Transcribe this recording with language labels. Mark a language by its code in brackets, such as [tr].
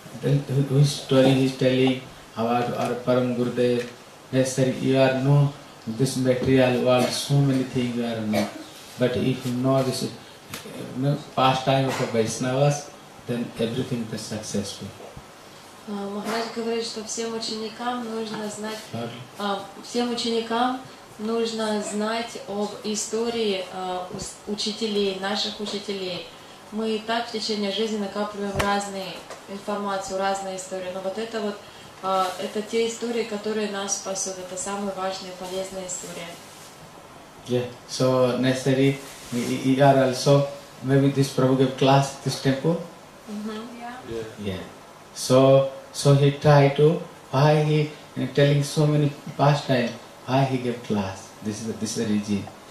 [en] Which story is telling about our Param Gurudev. Necessary you are know this material world, so many things you are know. But if you know this pastime of Vaishnavas, then everything is successful. [ru] Махарадж говорит, что всем ученикам нужно знать, всем ученикам нужно знать об истории учителей, наших учителей. Мы и так в течение жизни накапливаем разные информацию, разные истории, но вот это вот, это те истории, которые нас спасут, это самая важная, полезная история. [en] Yeah, so necessary, we are also, maybe this Prabhu gave class, this temple? So he tried to, why he, telling so many pastimes, why he gave class, this is the regime.